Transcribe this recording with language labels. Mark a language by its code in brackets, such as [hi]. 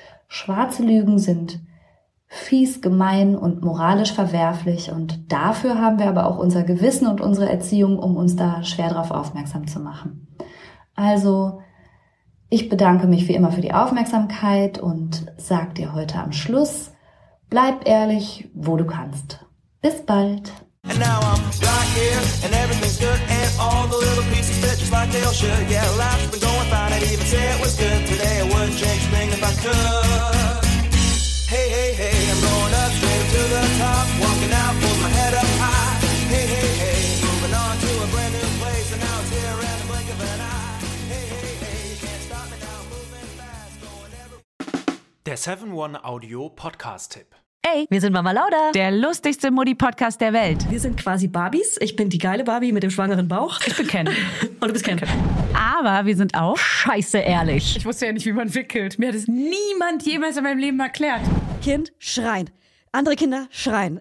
[de] Schwarze Lügen sind fies, gemein und moralisch verwerflich und dafür haben wir aber auch unser Gewissen und unsere Erziehung, um uns da schwer drauf aufmerksam zu machen. Also, ich bedanke mich wie immer für die Aufmerksamkeit und sag dir heute am Schluss, bleib ehrlich, wo du kannst. Bis bald! [en] And now I'm right here, and everything's good, and all the little pieces fit just like they all should. Yeah, life's been going fine, I'd even say it was good today. I wouldn't change a thing if I could. Hey, hey, hey, I'm going up straight to the top, walking out, pulling my head up high. Hey, hey, hey, moving on to a brand new place, and now it's here in the blink of an eye. Hey, hey, hey, you can't stop me now, moving fast, going ever. [de] Der 7-1 Audio Podcast Tipp. Ey, wir sind Mama Lauda, der lustigste Mutti-Podcast der Welt. Wir sind quasi Barbies. Ich bin die geile Barbie mit dem schwangeren Bauch. Ich bin Ken. Und du bist Ken. Aber wir sind auch scheiße ehrlich. Ich wusste ja nicht, wie man wickelt. Mir hat es niemand jemals in meinem Leben erklärt. Kind schreien. Andere Kinder schreien.